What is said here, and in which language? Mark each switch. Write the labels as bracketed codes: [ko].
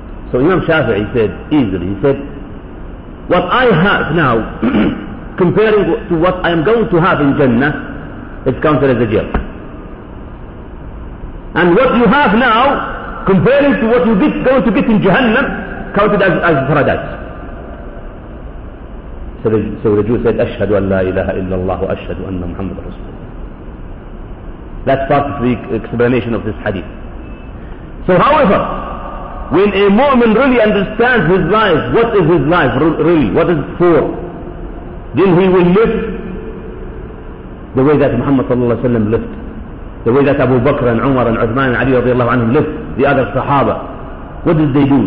[en] So Imam Shafi'i said easily, he said, what I have now, comparing to what I am going to have in Jannah, it's counted as a jail. And what you have now, comparing to what you get, going to get in Jahannam, counted as paradise. [ar] So the Jew said, أشهد أن لا إله إلا الله وأشهد أن محمد رسول الله. [en] That's part of the explanation of this hadith. So however, when a mu'min really understands his life, what is his life really, what is it for, then he will live the way that Muhammad sallallahu alayhi wa sallam lived, the way that Abu Bakr and Umar and Uthman and Ali radiallahu anhum lived, the other Sahaba. What did they do?